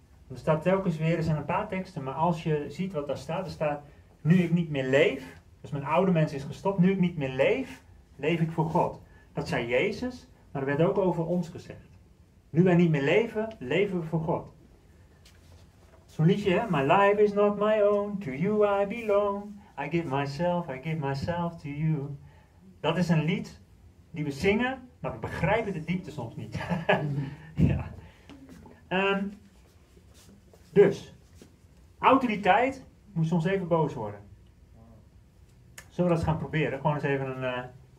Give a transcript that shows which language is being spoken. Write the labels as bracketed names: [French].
[Dutch] Er staat telkens weer, er zijn een paar teksten. Maar als je ziet wat daar staat. Er staat, nu ik niet meer leef. Dus mijn oude mens is gestopt. Nu ik niet meer leef, leef ik voor God. Dat zei Jezus, maar er werd ook over ons gezegd. Nu wij niet meer leven, leven we voor God. Zo'n liedje, hè? [English] My life is not my own, to you I belong. I give myself to you. [Dutch] Dat is een lied die we zingen, maar we begrijpen de diepte soms niet. Ja. Dus, autoriteit moet soms even boos worden. Zullen we dat eens gaan proberen? Gewoon eens even een.